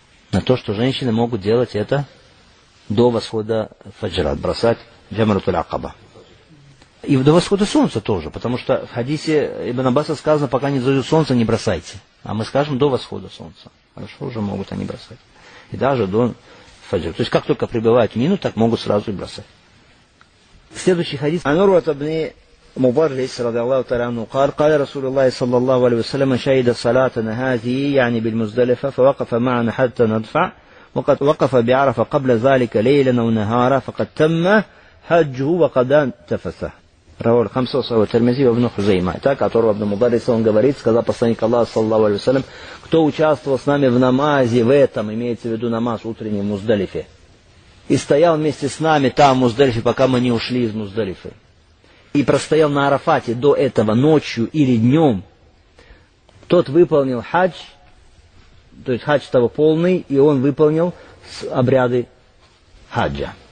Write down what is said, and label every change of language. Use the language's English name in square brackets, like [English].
[Russian] На то, что женщины могут делать это до восхода фаджра, бросать джамратуль акаба. И до восхода солнца тоже, потому что в хадисе Ибн Аббаса сказано, пока не зайдет солнце, не бросайте. А мы скажем, до восхода солнца. Хорошо, уже могут они бросать. И даже до фаджра. То есть, как только прибывают в Мину, так могут сразу и бросать. Следующий хадис. [Arabic] مبارك رضي الله تعالى عنه قال قال رسول الله صلى الله عليه وسلم شهد صلاتنا هذه يعني بالمزدلفة فوقف معنا حتى ندفع وقد وقف بعرفة قبل ذلك ليلا ونهارا فقد تم حجه وقد انتفث رواه الخمسة وصحبه الترمذي وابن خزيمة [Russian] так اتور ابن مبارك он говорит сказал посланник Аллаха [Arabic] صلى الله عليه وسلم [Russian] кто участвовал с нами в намазе в этом имеется в виду намаз утренний в Муздалифе и стоял вместе с нами там в Муздалифе пока мы не ушли из Муздалифы и простоял на Арафате до этого ночью или днем, тот выполнил хадж, то есть хадж того полный, и он выполнил обряды хаджа.